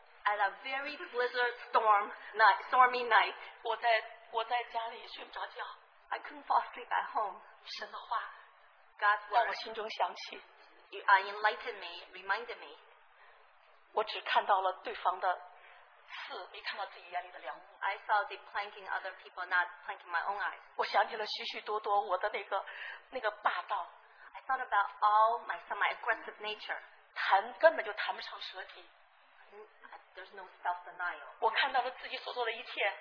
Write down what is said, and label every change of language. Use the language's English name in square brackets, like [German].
[English] At a very blizzard storm night, stormy night. [Chinese] 我在家里睡不着觉 [English] I couldn't fall asleep at home. [Chinese] 神的话 [English] God's word [Chinese] 让我心中响起 [English] You enlightened me, reminded me. [Chinese] 我只看到了对方的刺，没看到自己眼里的良木。 [English] I saw the planking other people, not planking my own eyes. [Chinese] 我想起了许许多多我的那个霸道。 [English] I thought about all my aggressive nature. [Chinese] 谈根本就谈不上舌体。 [English] There's no self-denial. [Chinese] 我看到了自己所做的一切。